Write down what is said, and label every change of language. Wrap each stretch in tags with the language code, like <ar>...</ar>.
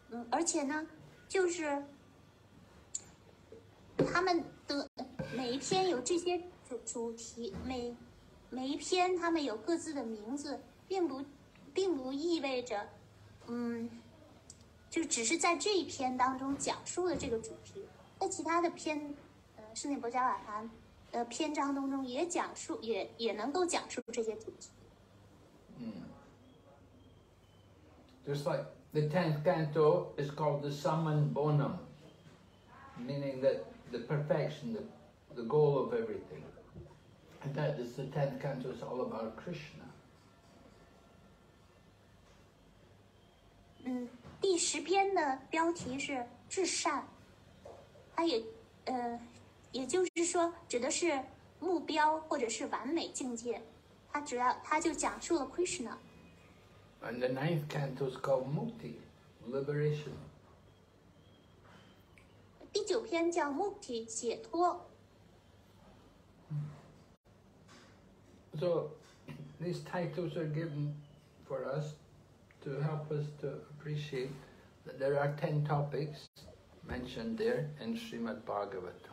<zh>而且呢，就是他们的每一篇有这些主题，每一篇他们有各自的名字，并不意味着，就只是在这一篇当中讲述了这个主题，在其他的篇。圣典博伽瓦坛的篇章当中也讲述也能够讲述这些主题。</zh> <en>Just like the 10th canto is called the summum bonum, meaning that the perfection, the goal of everything. And that is the 10th canto is all about Krishna.</en> <zh>第十篇的标题是至善，它也也就是说指的是目标或者是完美境界，它就讲述了 Krishna。</zh> <en>And the 9th canto is called Mukti, Liberation.</en> <zh>第九篇叫 Mukti, 解脱。</zh> <en>So these titles are given for us to help us to appreciate that there are 10 topics mentioned there in Srimad Bhagavatam.</en>